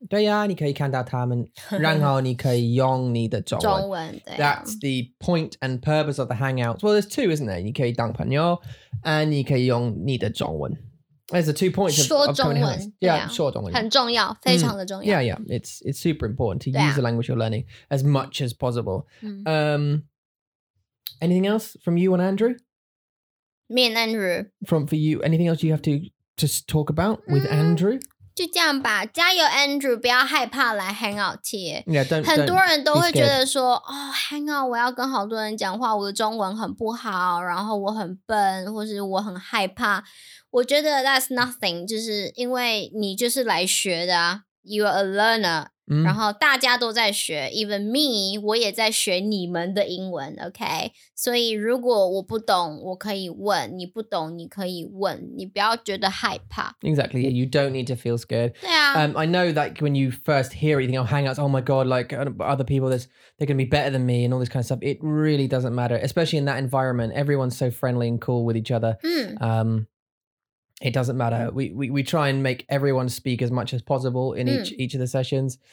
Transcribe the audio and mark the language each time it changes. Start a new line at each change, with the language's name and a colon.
Chinese: 对呀、啊，你可以看到他们，然后你可以用你的中文。中文对、啊。
English: That's the point and purpose of the hangouts. Well, there's two, isn't there?
Chinese: 你可以当朋友 ，and 你可以用你的中文。
English: There's the two points of coming out. Yeah,
Chinese: 说中文很重要，非常的重要。 Mm.
English: Yeah, yeah, it's super important to、啊、use the language you're learning as much as possible.、嗯、anything else from you and Andrew? Me and Andrew. For you, anything else you have to? Just talk about with Andrew.
Chinese: 就这样吧，加油 Andrew, 不要害怕来 hangout 贴。
English: Yeah, don't,
Chinese: 很多人都会觉得说、oh, hangout 我要跟好多人讲话，我的中文很不好，然后我很笨，或是我很害怕。我觉得
English: that's nothing,
Chinese: 就是因为你就是来学的啊。
English: You are a learner,、
Chinese: mm. 然后大家都在学 ,
English: even me,
Chinese: 我也在学你们的英文 ,OK? 所以如果我不懂我可以问你不懂你可以问你不要觉得害怕。
English: Exactly, yeah, you don't need to feel scared. Yeah.、 I know that when you first hear it, you think, oh, hangouts, oh my god, like other people, they're going to be better than me and all this kind of stuff. It really doesn't matter, especially in that environment. Everyone's so friendly and cool with each other.、 Mm. It doesn't matter. We try and make everyone speak as much as possible in each of the sessions.